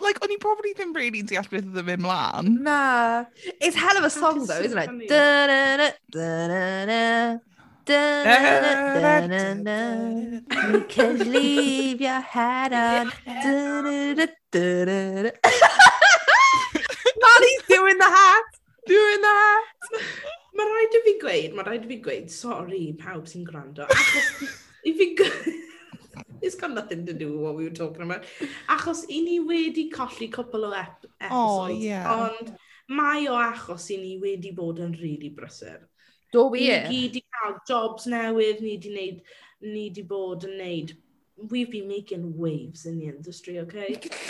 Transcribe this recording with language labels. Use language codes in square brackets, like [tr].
[cy] Like, o'n i probably ddim really yn deall beth oedd yn mynd mlaen. Na. [en] It's hell of a song though, isn't it? Da-na-na, da-na-na, da-na-na, da-na-na. You can leave your hat on. Da-na-na, da-na-na. Molly's doing the hat. [cy] Mae rhaid i fi gweud, sorry, pawb sy'n gwrando. [en] If you go... It's got nothing to do with what we were talking about. [cy] Achos i ni wedi colli couple o episodes. [en] Oh, yeah. [cy] Ond mae o achos i ni wedi bod yn really brysur. [en] Do we? [cy] Ni wedi cael jobs newydd, ni wedi bod yn neud. [en] We've been making waves in the industry, okay?